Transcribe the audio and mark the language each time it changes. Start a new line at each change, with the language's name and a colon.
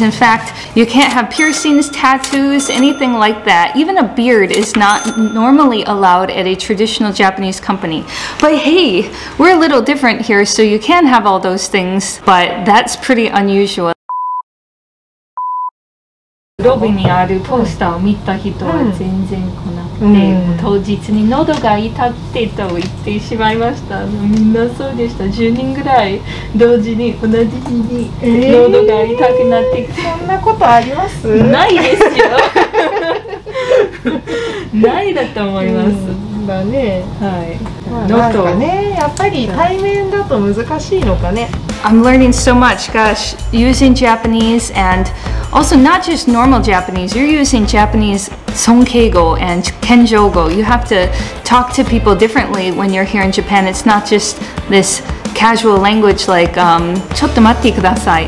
English: In fact, you can't have piercings, tattoos, anything like that. Even a beard is not normally allowed at a traditional Japanese company. But hey, we're a little different here, so you can have all those things, but that's pretty unusual.
Japanese: ロビにあるポスターを見た人は全然来なくて、うん、当日に喉が痛くてと言ってしまいました。みんなそうでした。10人ぐらい同時に同じ日に喉が痛くなってきて、そんなことあります？ないですよないだと思います、うん、だね、はい、まあ、なんかね、やっぱり対面だと難しいのかね。
English: I'm learning so much, gosh, using Japanese and also not just normal Japanese, you're using Japanese Sonkeigo and Kenjogo. You have to talk to people differently when you're here in Japan. It's not just this casual language like,
Japanese: ちょっと待ってください.